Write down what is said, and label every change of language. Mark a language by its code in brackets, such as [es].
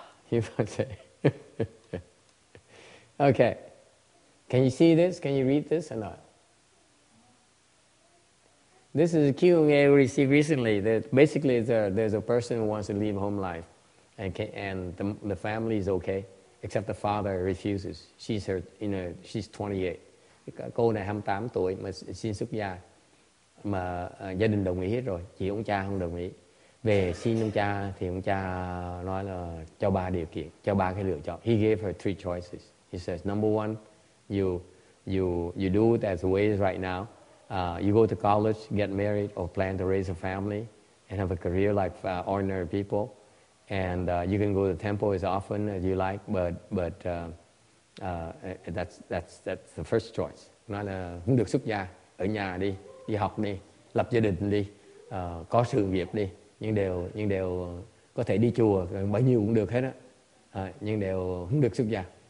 [en] You might say. Okay. Can you see this? Can you read this or not? This is a Q&A we received recently. That basically there's a person who wants to leave home life and the family is okay, except the father refuses. She's 28. [vi] Cô này 28 tuổi mà xin xuất gia. Mà gia đình đồng ý hết rồi, chỉ ông cha không đồng ý. Về xin ông cha thì ông cha nói là cho ba điều kiện, cho ba cái lựa chọn. [en] He gave her three choices. He says, number one, you do it as the way it is right now. You go to college, get married, or plan to raise a family and have a career like ordinary people. And you can go to the temple as often as you like, but that's the first choice. [vi] Nói là không được xuất gia, ở nhà đi. Đi học đi, lập gia đình đi, có sự nghiệp đi, nhưng đều có thể đi chùa, bao nhiêu cũng được hết á, nhưng đều không được xuất gia.